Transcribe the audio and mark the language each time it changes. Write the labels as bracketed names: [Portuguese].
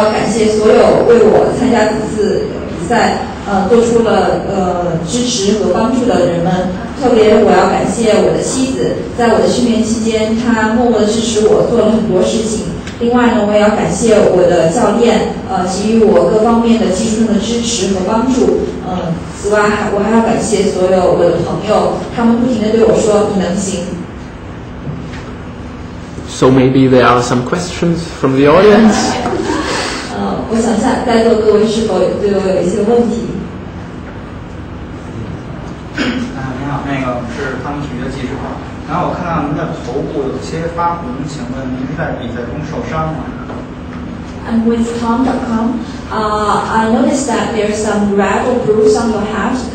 [Chinese] 谢谢所有为我参加此次比赛做出了支持和帮助的人们，特别我要感谢我的妻子，在我的训练期间她默默地支持我做了很多事情。另外呢，我也要感谢我的教练给予我各方面的技术的支持和帮助。此外我还要感谢所有我的朋友，他们不停地对我说你能行。 [English] So maybe there are some questions from the audience. [Chinese] 我想一下在座各位是否对我有一些问题。你好，那个是汤米曲的记者，然后我看到您的头部有些发红，请问您是在比赛中受伤吗？ [English] I'm with Tom.com. I noticed that there's some red or bruise on your head.